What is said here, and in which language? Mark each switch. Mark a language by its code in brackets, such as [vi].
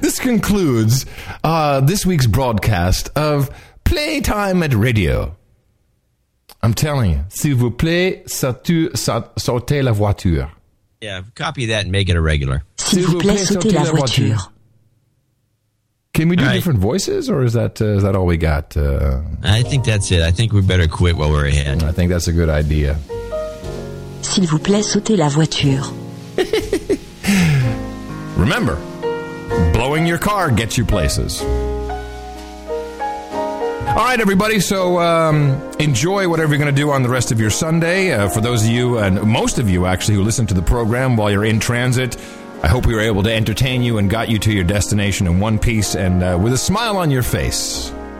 [en] This concludes this week's broadcast of Playtime at Radio. I'm telling you, [fr] s'il vous plaît, sautez la voiture. [en] Yeah, copy that and make it a regular. [fr] S'il vous plaît, sautez la voiture. [en] Can we do different voices, or is that all we got? I think that's it. I think we better quit while we're ahead. I think that's a good idea. [fr] S'il vous plaît, sautez la voiture. [en] Remember, blowing your car gets you places. All right, everybody. So enjoy whatever you're going to do on the rest of your Sunday. For those of you, and most of you actually, who listen to the program while you're in transit, I hope we were able to entertain you and got you to your destination in one piece and with a smile on your face.